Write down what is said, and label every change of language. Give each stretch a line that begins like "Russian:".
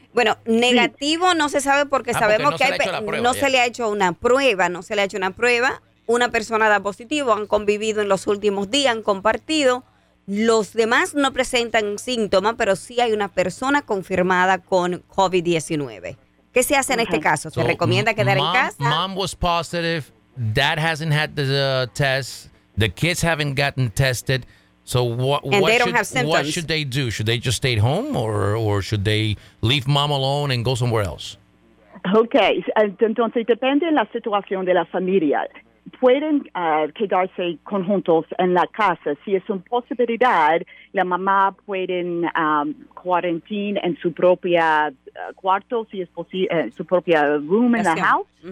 Spanish: Bueno, negativo sí. No se sabe porque sabemos porque no se le ha hecho una prueba. Una persona da positivo, han convivido en los últimos días, han compartido. Los demás no presentan síntomas, pero sí hay una persona confirmada con COVID-19. ¿Qué se hace en este caso? ¿Se recomienda quedar en casa?
English: Mom was positive, dad hasn't had the test. The kids haven't gotten tested, so what should they do? Should they just stay at home or should they leave mom alone and go somewhere else?
Spanish: Okay, entonces depende de la situación de la familia. Pueden quedarse conjuntos en la casa. Si es una posibilidad, la mamá puede cuarentena en su propia cuarto, si es posible, en su propia
English: room in the house.